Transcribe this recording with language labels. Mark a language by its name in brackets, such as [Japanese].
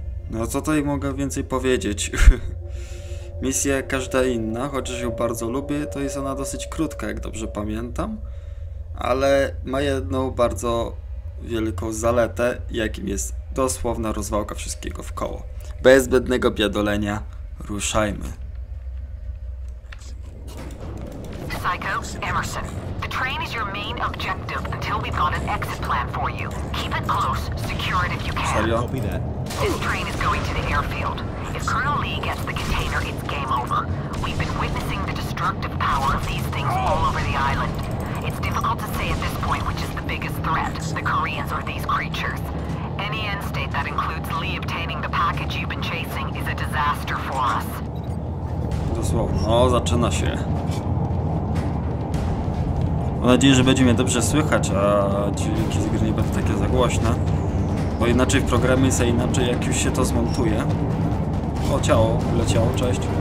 [Polish] No co tutaj mogę więcej powiedzieć? Misja każda inna, chociaż ją bardzo lubię, to jest ona dosyć krótka, jak dobrze pamiętam. Ale ma jedną bardzo wielką zaletę, jakim jest dosłowna rozwałka wszystkiego w koło. Bez zbędnego biadolenia, ruszajmy. [English] Psycho, Emerson. The train is your main objective until we've got an exit plan for you. Keep it close, secure it if you can. [Polish] Serio? [English] This train is going to the airfield. If Colonel Lee gets the container, it's game over. We've been witnessing the destructive power of these things all over the island. It's difficult to say at this point which is the biggest threat, the Koreans or these creatures. Any end state that includes Lee obtaining the package you've been chasing is a disaster for us. [Polish] Dosłownie. O, zaczyna się. Mam nadzieję, że będzie mnie dobrze słychać, a dźwięki z gry nie będą takie za głośne. Bo inaczej w programie jest, a inaczej jak już się to zmontuje. O, ciało, leciało, cześć.